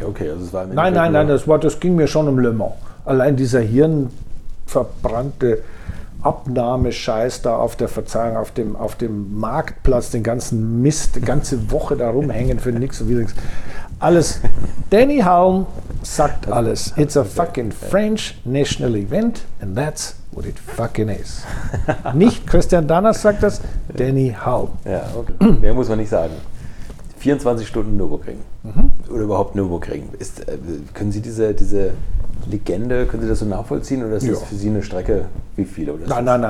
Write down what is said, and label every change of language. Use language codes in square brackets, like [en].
[de] Okay, also es war nein, das ging mir schon um Le Mans. Allein dieser hirnverbrannte Abnahmescheiß da auf der Verzeihung, auf dem Marktplatz, den ganzen Mist, die ganze Woche da rumhängen für nichts und wieder nichts. Alles. Danny Hulme sagt alles. [en] It's a fucking French national event and that's what it fucking is. [de] Nicht Christian Danner sagt das, Danny Hulme. Ja, okay. Mehr muss man nicht sagen. 24 Stunden Nürburgring. Oder überhaupt Nürburgring. Können Sie diese Legende, können Sie das so nachvollziehen oder ist das für Sie eine Strecke wie viele? Nein.